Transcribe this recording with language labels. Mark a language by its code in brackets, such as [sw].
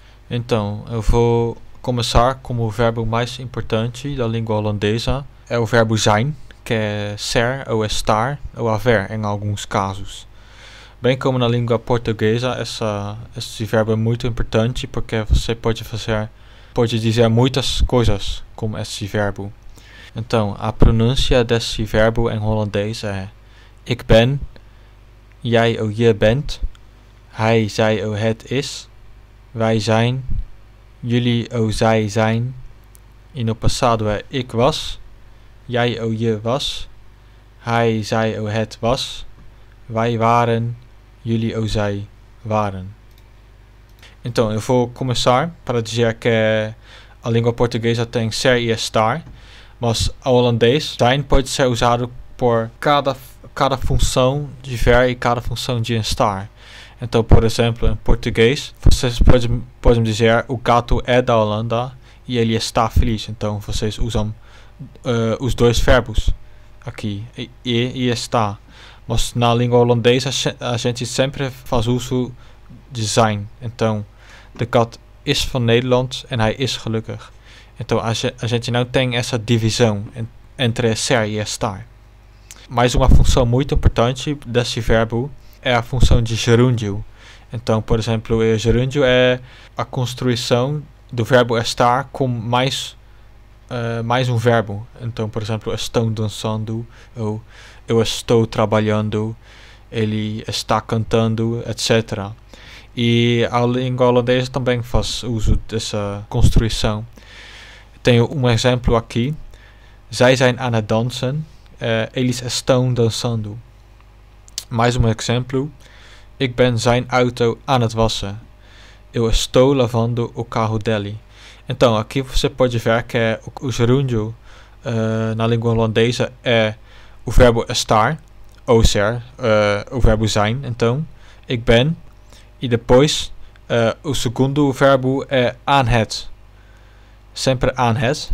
[pt] Então, eu vou começar com o verbo mais importante da língua holandesa. É o verbo zijn, que é ser ou estar, ou haver em alguns casos. Bem como na língua portuguesa, esse verbo é muito importante, porque você pode dizer muitas coisas com esse verbo. Então, a pronúncia desse verbo em holandês é [nl] ik ben, jij ou je bent, hij, zij ou het is, wij zijn, jullie ou zij zijn. In het passado é ik was, jij ou je was, hij, zij ou het was, wij waren, jullie ou zij waren. [pt] Então, eu vou começar para dizer que a língua portuguesa tem ser e estar, mas a holandês, zijn, pode ser usado por cada função de ver e cada função de estar. Então, por exemplo, em português, vocês podem dizer o gato é da Holanda e ele está feliz. Então, vocês usam os dois verbos aqui, e está. Mas na língua holandesa, a gente sempre faz uso de zijn. [nl] Então, de kat is van Nederland en hij is gelukkig. [pt] Então, a gente não tem essa divisão entre ser e estar. Mais uma função muito importante desse verbo é a função de gerúndio. Então, por exemplo, o gerúndio é a construção do verbo estar com mais um verbo. Então, por exemplo, estão dançando, ou eu estou trabalhando, ele está cantando, etc. E a língua holandesa também faz uso dessa construção. Tenho um exemplo aqui. [nl] Zij zijn aan het dansen. [pt] Eles estão dançando. Mais um exemplo. [nl] Ik ben zijn auto aan het wassen. [pt] Eu estou lavando o carro dele. Então, aqui você pode ver que o gerúndio na língua holandesa é o verbo estar, ou ser, o verbo zijn. Então, [nl] ik ben. [pt] E depois, o segundo verbo é aan het. Sempre aan het.